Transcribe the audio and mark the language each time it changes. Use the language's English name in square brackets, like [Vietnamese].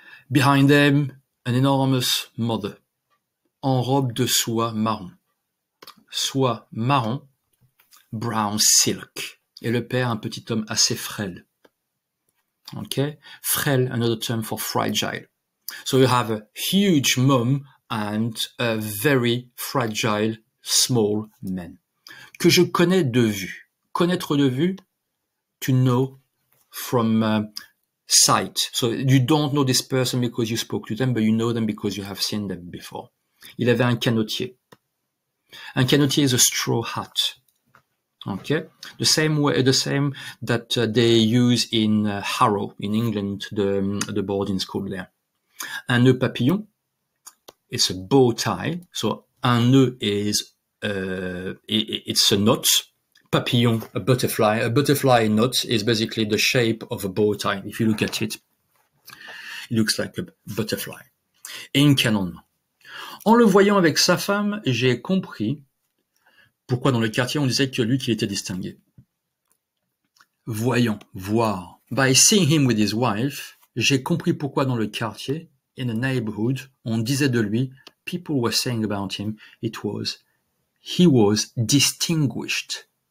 [English] Behind them, an enormous mother, [French] en robe de soie marron. Soie marron. [English] Brown silk. [French] Et le père, un petit homme assez frêle. [English] Okay? Frêle, another term for fragile. So you have a huge mom and a very fragile small man. [French] Que je connais de vue. Connaître de vue, [English] to know from sight. So you don't know this person because you spoke to them, but you know them because you have seen them before. [French] Il avait un canotier. [English] Un canotier is a straw hat. Okay. The same way, the same that they use in Harrow in England, the boarding school there. [French] Un nœud papillon. [English] It's a bow tie. So un nœud is, it's a knot. Papillon, a butterfly. A butterfly knot is basically the shape of a bow tie. If you look at it, it looks like a butterfly. [French] Un canon. En le voyant avec sa femme, j'ai compris pourquoi dans le quartier on disait que lui qu'il était distingué. Voyant, voir. [English] By seeing him with his wife, [French] j'ai compris pourquoi dans le quartier, [English] in the neighborhood, [French] on disait de lui, [English] people were saying about him, he was distinguished.